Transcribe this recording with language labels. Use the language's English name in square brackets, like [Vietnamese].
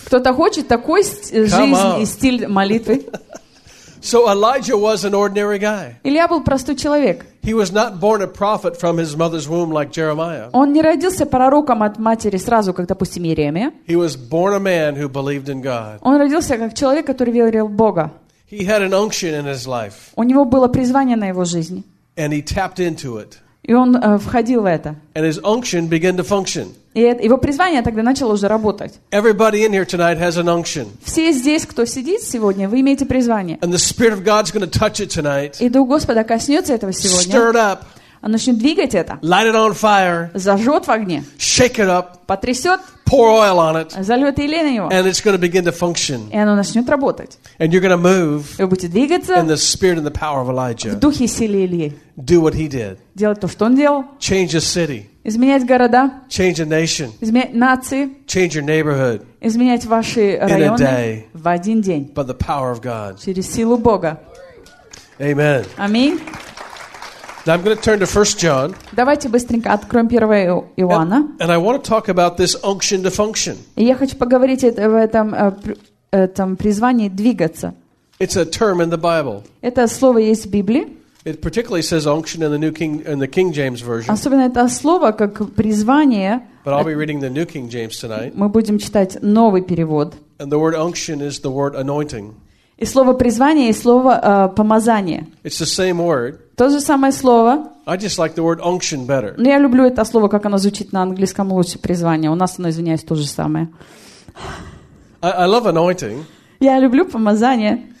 [Russian] Кто-то хочет такой жизнь и стиль молитвы? [English] So Elijah was an ordinary guy. [Russian] Илия был простой человек. [English] He was not born a prophet from his mother's womb like Jeremiah. [Russian] Он не родился пророком от матери сразу, как, допустим, Иеремия. [English] He was born a man who believed in God. [Russian] Он родился как человек, который верил в Бога. [English] He had an unction in his life. [Russian] У него было призвание на его жизни. [English] And he tapped into it. [Russian] И он входил в это. [English] And his unction began to function. [Russian] И его призвание тогда начало уже работать. [English] Everybody in here tonight has an unction. [Russian] Все здесь, кто сидит сегодня, вы имеете призвание. [English] And the Spirit of God's going to touch it tonight. [Russian] И Дух Господа коснется этого сегодня. [English] Stir it up. [Russian] Он начнет двигать это. [English] Light it on fire. [Russian] Зажжет в огне. [English] Shake it up. [Russian] Потрясет. [English] Pour oil on it. [Russian] Зальет елей на него. [English] And it's going to begin to function. [Russian] И оно начнет работать. [English] And you're going to move. [Russian] Вы будете двигаться. [English] In the Spirit and the power of Elijah. [Russian] В духе силы Ильи. [English] Do what he did. [Russian] Делать то, что он делал. [English] Change a city. [Russian] Изменять города. [English] Change a nation. [Russian] Изменять нации. [English] Change your neighborhood. [Russian] Изменять ваши районы. [English] In a day. [Russian] В один день. [English] By the power of God. [Russian] Через силу Бога. [English] Amen. [Russian] Аминь. [English] Now I'm going to turn to 1 John. [Russian] Давайте быстренько откроем 1 Иоанна. [English] And I want to talk about this unction to function. [Russian] Я хочу поговорить об этом призвании двигаться. [English] It's a term in the Bible. [Russian] Это слово есть в Библии. [English] It particularly says unction in the New King in the King James version. [Russian] Особенно это слово как призвание. [English] But I'll be reading the New King James tonight. [Russian] Мы будем читать новый перевод. [English] And the word unction is the word anointing. [Russian] И слово призвание и слово помазание. [English] It's the same word. [Russian] То же самое слово. [English] I just like the word unction better. [Russian] Но я люблю это слово, как оно звучит на английском лучше, призвание. У нас оно, извиняюсь, то же самое. [English] I love anointing. [Russian] Я люблю помазание.